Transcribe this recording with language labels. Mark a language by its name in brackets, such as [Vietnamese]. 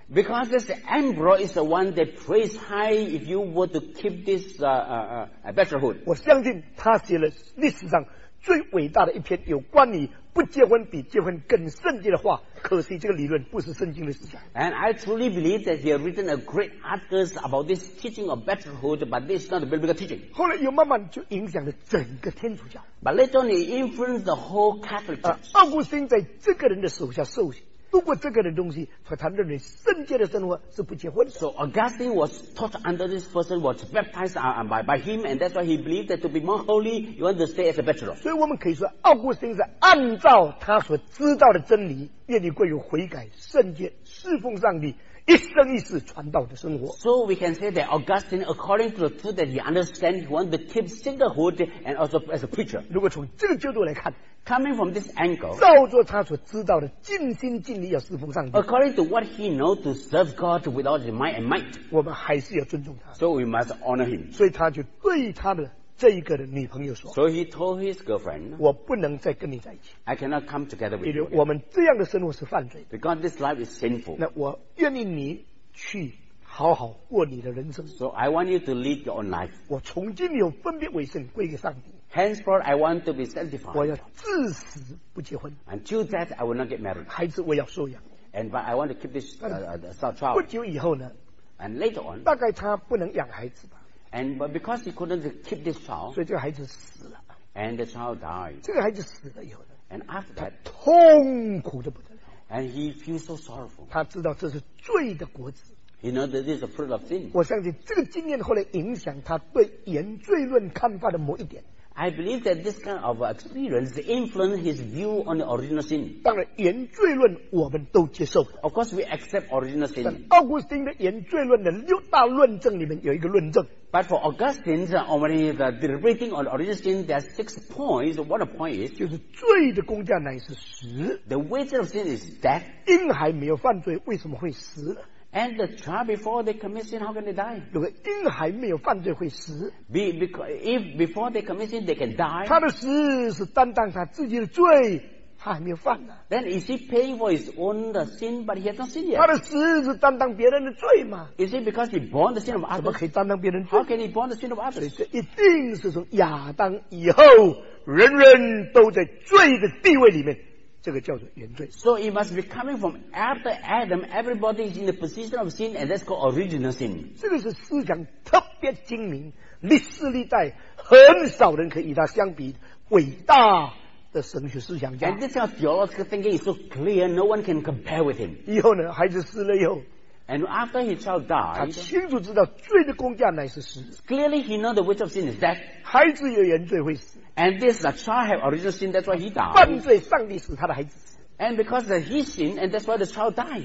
[English] Because this Ambrose is the one that prays high if you were to keep this bachelorhood. [Chinese] 我相信他写了历史上最伟大的一篇有关于不结婚比结婚更圣洁的话。可惜这个理论不是圣经的思想。 [English] And I truly believe that he has written a great article about this teaching of bachelorhood, but this is not a biblical teaching. [Chinese] 后来又慢慢就影响了整个天主教。 [English] But later on, he influenced the whole Catholic Church. [Chinese] 奥古斯丁在这个人的手下受洗。如果这个人东西所谈论的圣洁的生活是不结婚的 [English] So Augustine was taught under this person was baptized by him and that's why he believed that to be more holy you want to stay as a bachelor [Chinese] 所以我们可以说奥古斯丁是按照他所知道的真理愿意归于悔改圣洁侍奉上帝一生一世传道的生活 [English] So we can say that Augustine according to the truth that he understands he wants to keep singlehood and also as a preacher [Chinese] 如果从这个角度来看 [English] Coming from this angle, [Chinese] 照做他所知道的，尽心尽力要侍奉上帝。 [English] According to what he knows to serve God with all his mind and might, [Chinese] 我们还是要尊重他。 [English] So we must honor him. [Chinese] 所以他就对他的这一个的女朋友说。 [English] So he told his girlfriend, [Chinese] 我不能再跟你在一起。 [English] I cannot come together with you. [Chinese] 我们这样的生活是犯罪的。 [English] Because this life is sinful. [Chinese] 那我愿意你去好好过你的人生。 [English] So I want you to lead your own life. [Chinese] 我从今以后分别为圣，归给上帝。 [English] Henceforth, I want to be sanctified. [Chinese] 我要至死不结婚。 [English] Until that, I will not get married. [Chinese] 孩子我要收养。 [English] And but I want to keep this child. [Chinese] 不久以后呢 [English] ？And later on. [Chinese] 大概他不能养孩子吧 [English] ？And but because he couldn't keep this child. [Chinese] 所以这个孩子死了。 [English] And the child died. [Chinese] 这个孩子死了以后呢 [English] ？And after that, [Chinese] 他痛苦得不得了。 [English] And he feels so sorrowful. [Chinese] 他知道这是罪的果子。 [English] You know that this is a fruit of sin. [Chinese] 我相信这个经验后来影响他对原罪论看法的某一点。 [English] I believe that this kind of experience influenced his view on the original sin. [Chinese] 当然，原罪论我们都接受。 [English] Of course, we accept original sin. [Chinese] 但奥古斯丁的原罪论的六大论证里面有一个论证。 [English] But for Augustine's deliberating on original sin, there are six points. One point is [Chinese] 就是罪的工价乃是死。 [English] The wages of sin is death. [Chinese] 婴孩没有犯罪，为什么会死？ [English] And the child before they commit sin, how can they die? [Chinese] 如果婴孩没有犯罪会死 [English] If before they commit sin, they can die. [Chinese] 他的死是担当他自己的罪，他还没有犯呢。 [English] Then is he paying for his own sin, but he has not sinned yet? [Chinese] 他的死是担当别人的罪嘛 [English] Is it because he bore the sin of others? [Chinese] 怎么可以担当别人罪 [English] How can he bore the sin of others? [Chinese] 这一定是从亚当以后，人人都在罪的地位里面。这个叫做原罪。 [English] So it must be coming from after Adam, everybody is in the position of sin, and that's called original sin. [Chinese] 这个是思想特别精明，历史历代很少人可以与他相比，伟大的神学思想家。 [English] And this kind of theological thinking is so clear, no one can compare with him. [Chinese] 以后呢，孩子死了以后。 [English] And after his child died, [Chinese] 他清楚知道罪的工价乃是死。 [English] Clearly, he knows the wage of sin is death. [Chinese] 孩子有原罪会死。 [English] And this is a child have original sin, that's why he died. [Chinese] 犯罪，上帝死他的孩子。 [English] And because that he sinned, and that's why the child died.